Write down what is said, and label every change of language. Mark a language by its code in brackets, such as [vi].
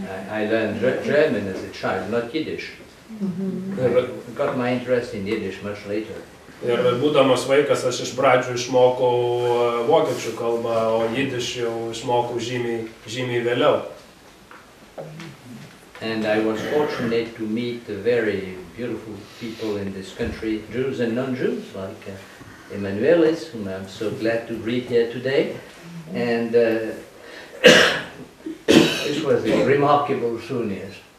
[en] I learned German as a child, not Yiddish. Mm-hmm. Got my interest in Yiddish much later. [lt] Ir būdamas vaikas, aš iš pradžių išmokau vokiečių kalbą, o jidiš jau išmokau žymiai vėliau. [en] And I was fortunate to meet the very beautiful people in this country, Jews and non-Jews, like Emanuelis, whom I'm so glad to greet here today. And this was a remarkable souvenir.